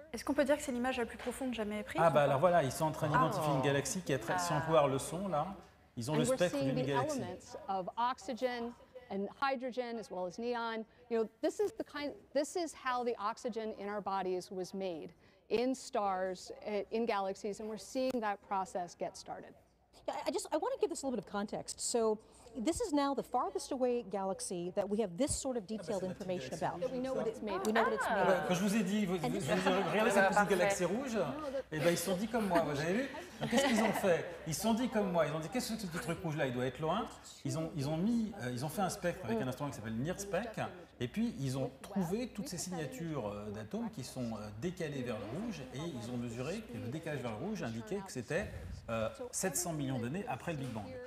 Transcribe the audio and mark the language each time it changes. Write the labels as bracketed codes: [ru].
[fr] Est-ce qu'on peut dire que c'est l'image la plus profonde jamais prise? Ah, bah alors voilà, ils sont en train d'identifier une galaxie qui est très. Sans voir le son, là, ils ont le spectre d'une galaxie. [en] And hydrogen as well as neon. You know, this is how the oxygen in our bodies was made in stars, in galaxies, and we're seeing that process get started. Yeah, I want to give this a little bit of context. So this is now the farthest away galaxy that we have this sort of detailed information about. We know what it's made of. We know what it's made of. [fr] Quand je vous ai dit, regardez cette petite galaxie rouge, et ben ils sont dit comme moi, vous avez vu? Donc, qu'est-ce qu'ils ont fait? Ils sont dit comme moi, ils ont dit, qu'est-ce que c'est ce petit truc rouge là? Il doit être loin. Ils ont fait un spectre avec un instrument qui s'appelle NIRSPEC, et puis ils ont trouvé toutes ces signatures d'atomes qui sont décalées vers le rouge, et ils ont mesuré que le décalage vers le rouge indiquait que c'était 700 millions d'années après le Big Bang.